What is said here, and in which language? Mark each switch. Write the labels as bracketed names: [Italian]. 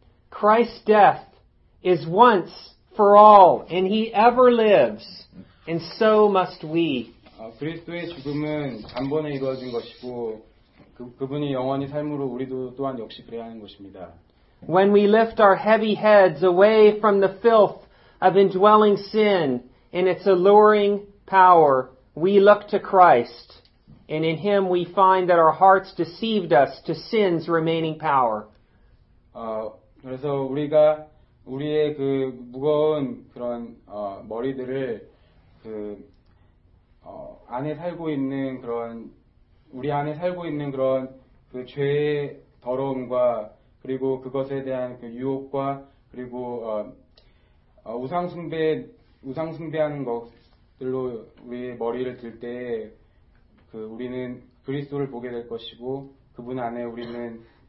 [English] Christ's death is once for all and he ever lives and so must we. [Korean] 그리스도의 죽음은 단번에 이루어진 것이고 그분이 영원히 삶으로 우리도 또한 역시 그래야 하는 것입니다. [English] When we lift our heavy heads away from the filth of indwelling sin and its alluring power, we look to Christ, and in him we find that our hearts deceived us to sin's remaining power. [Korean] 그래서 우리가 우리의 그 무거운 그런 머리들을 그 안에 살고 있는 그런 우리 안에 살고 있는 그런 그 죄의 더러움과 그리고 그것에 대한 그 유혹과 그리고 우상숭배하는 것들로 우리의 머리를 들 때 그 우리는 그리스도를 보게 될 것이고 그분 안에 우리는